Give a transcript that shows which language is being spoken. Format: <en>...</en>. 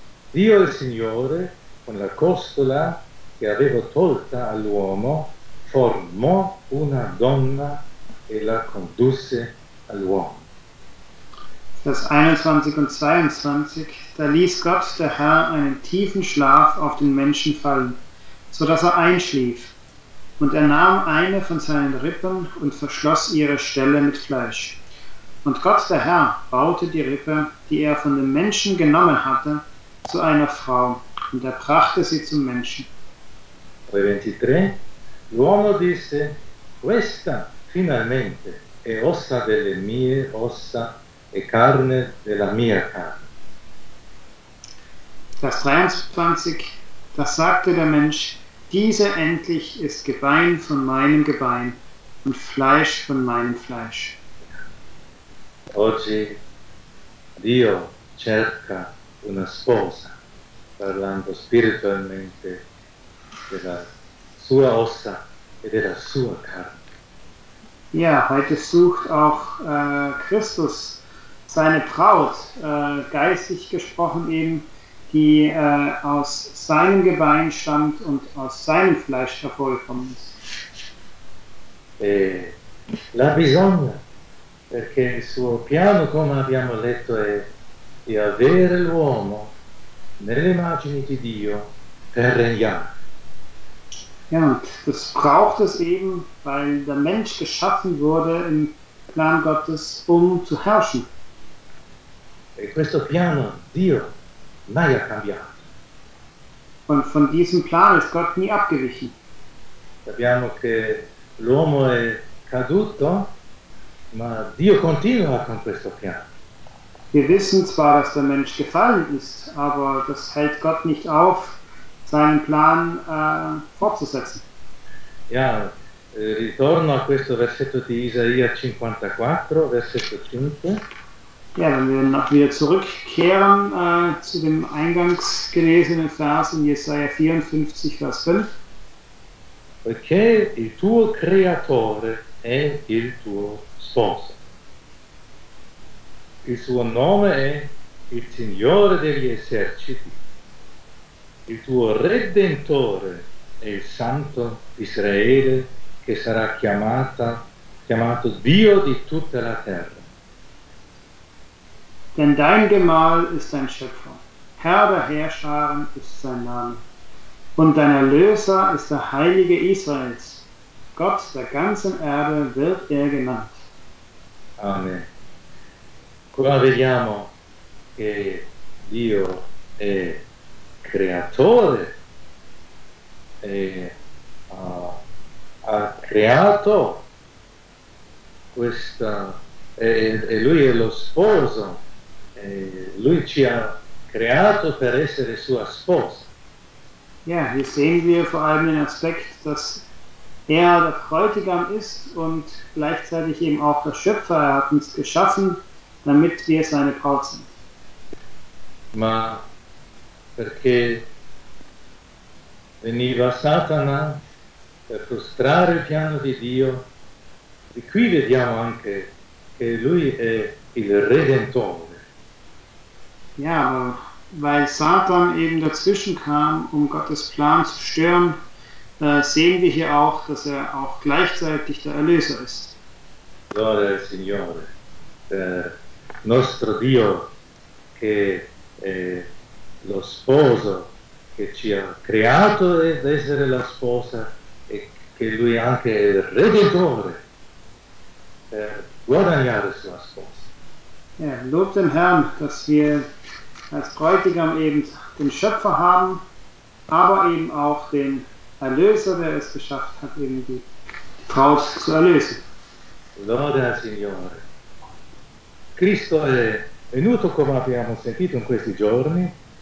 <it>Dio il Signore, con la costola che aveva tolta all'uomo, formò una donna e la condusse all'uomo.</it> <de>Vers 21 und 22, da ließ Gott, der Herr, einen tiefen Schlaf auf den Menschen fallen, so dass er einschlief. Und er nahm eine von seinen Rippen und verschloss ihre Stelle mit Fleisch. Und Gott, der Herr, baute die Rippe, die er von dem Menschen genommen hatte, zu einer Frau, und er brachte sie zum Menschen.</de> <it>23. L'uomo disse, questa finalmente è ossa delle mie ossa e carne della mia carne.</it> <de>Vers 23. Da sagte der Mensch, diese endlich ist Gebein von meinem Gebein und Fleisch von meinem Fleisch.</de> <it>Oggi Dio cerca una sposa, parlando spiritualmente della sua ossa e della sua carne.</it> <de>Ja, heute sucht auch Christus seine Braut, geistig gesprochen eben, die aus seinem Gebein stammt und aus seinem Fleisch hervorgekommen ist.</de> <it>La bisogna, perché il suo piano, come abbiamo letto, è di avere l'uomo nelle immagini di Dio per regnare.</it> <de>Ja, und das braucht es eben, weil der Mensch geschaffen wurde im Plan Gottes, um zu herrschen.</de> <it>E questo piano, Dio, mai ha cambiato.</it> <de>Und von diesem Plan ist Gott nie abgewichen.</de> <it>Sappiamo che l'uomo è caduto, ma Dio continua con questo piano.</it> <de>Wir wissen zwar, dass der Mensch gefallen ist, aber das hält Gott nicht auf, seinen Plan fortzusetzen.</de> <it>Ja, ritorno a questo versetto di Isaia 54, versetto 5.</it> <de>Ja, wenn wir noch wieder zurückkehren zu dem eingangs gelesenen Vers in Jesaja 54, Vers 5.</de> <it>Perché il tuo creatore è il tuo sposo. Il suo nome è il Signore degli eserciti. Il tuo Redentore è il Santo Israele che sarà chiamato Dio di tutta la terra.</it> <de>Denn dein Gemahl ist dein Schöpfer, Herr der Heerscharen ist sein Name. Und dein Erlöser ist der Heilige Israels, Gott der ganzen Erde wird er genannt. Amen.</de> <it>Qua vediamo che Dio è creatore, e ha creato questa, e lui è lo sposo. Lui ci ha creato per essere sua sposa.</it> <de>Ja, hier sehen wir vor allem den Aspekt, dass er der Bräutigam ist und gleichzeitig eben auch der Schöpfer. Er hat uns geschaffen, damit wir seine Braut sind.</de> <it>Ma perché veniva Satana per frustrare il piano di Dio? E qui vediamo anche che lui è il Redentore.</it> <de>Ja, weil Satan eben dazwischen kam, um Gottes Plan zu stören, sehen wir hier auch, dass er auch gleichzeitig der Erlöser ist.</de> <it>Gloria al Signore, nostro Dio, che è lo sposo, che ci ha creato ed essere la sposa, e che lui anche è il Redentore, per guadagnare sua sposa.</it> <de>Ja, lob den Herrn, dass wir als Bräutigam eben den Schöpfer haben, aber eben auch den Erlöser, der es geschafft hat, eben die Braut zu erlösen.</de> <it>Gloria al Signore. Cristo è venuto, come abbiamo sentito in questi giorni.</it>